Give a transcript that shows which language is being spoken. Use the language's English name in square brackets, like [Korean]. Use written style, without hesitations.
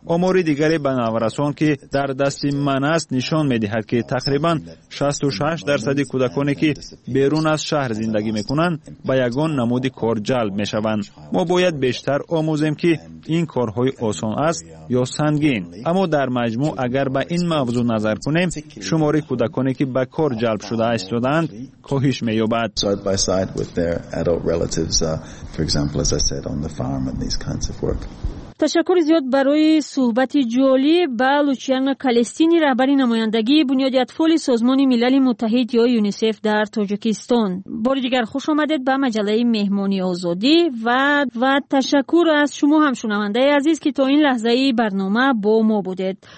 [Persian] آمار دیگری به نورسان که در دست من است نشان می دهد که تقریبا 66% کودکانی که بیرون از شهر زندگی می کنند به یگان نمود کار جلب می شوند. ما باید بیشتر آموزیم که این کارهای آسان است یا سنگین. اما در مجموع اگر به این موضوع نظر کنیم، شماره کودکانی که به کار جلب شده هستند کاهش می‌یابد. [English] Side by side with their adult relatives, for example, as I said, on the farm and these kinds of work. [Persian] تشکر زیاد برای صحبت جالی با لوچیان کالستینی، رهبری نمایندگی بنیاد اطفال سازمان ملل متحد یا یونیسف در تاجیکستان. بار دیگر خوش آمدید به مجله مهمانی آزادی و تشکر از شما هم شنونده عزیز که تا این لحظه برنامه با ما بودید.